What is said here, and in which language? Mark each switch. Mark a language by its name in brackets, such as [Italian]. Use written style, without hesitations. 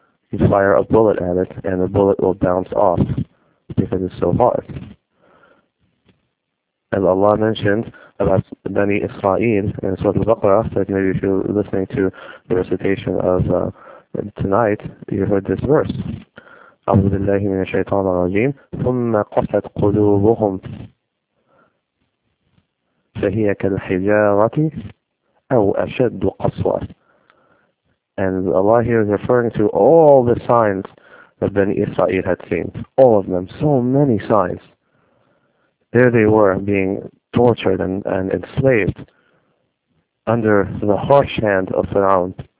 [English] You fire a bullet at it, and the bullet will bounce off because it's so hard. As Allah mentioned about Bani Israel in Surah Al-Baqarah, that maybe if you're listening to the recitation of tonight, you heard this verse. [Arabic] أعوذ بالله من الشيطان الرجيم ثم قست قلوبهم فهي كالحجارة أو أشد قسوة. [English] And Allah here is referring to all the signs that Bani Israel had seen. All of them. So many signs. There they were being tortured and enslaved under the harsh hand of Pharaoh.